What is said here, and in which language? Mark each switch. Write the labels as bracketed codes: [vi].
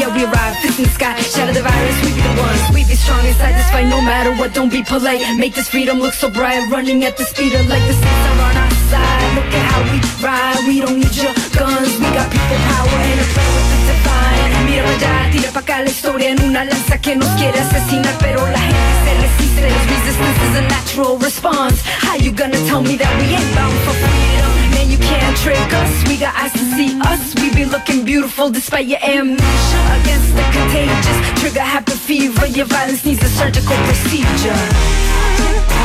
[en] Yeah, we arrive, fist in the sky. Shatter the virus, we be the ones. We be strong inside this fight no matter what. Don't be polite, make this freedom look so bright. Running at the speed of light, the seats are on our side. Look at how we ride, we don't need your guns. We got people power and a presence that's divine. [es] Mira, vaya, tira pa'ca la historia. en una lanza que nos quiere asesinar, pero la gente se resiste. [en] Resistance is a natural response. How you gonna tell me that we ain't bound for freedom? Man, you can't trick us. We got eyes to see us. We be looking beautiful despite your amnesia. Against the contagious, trigger happy fever. Your violence needs a surgical procedure.